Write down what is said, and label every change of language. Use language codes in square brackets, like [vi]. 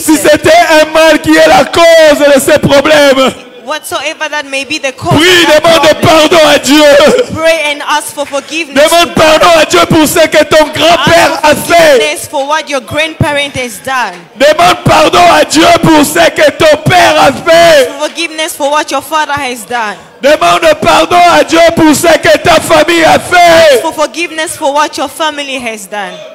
[fr] si c'était un mal qui est la cause de ces problèmes, [en] whatsoever that may be the cause, [fr] prie, demande pardon à Dieu. [en] Pray and ask for forgiveness. [fr] Demande pardon à Dieu pour ce que ton grand-père a fait. [en] For what your grandparent has done. [fr] Demande pardon à Dieu pour ce que ton père a fait. [en] Ask forgiveness for what your father has done. [fr] Demande pardon à Dieu pour ce que ta famille a fait. [en] Ask for forgiveness for what your family has done.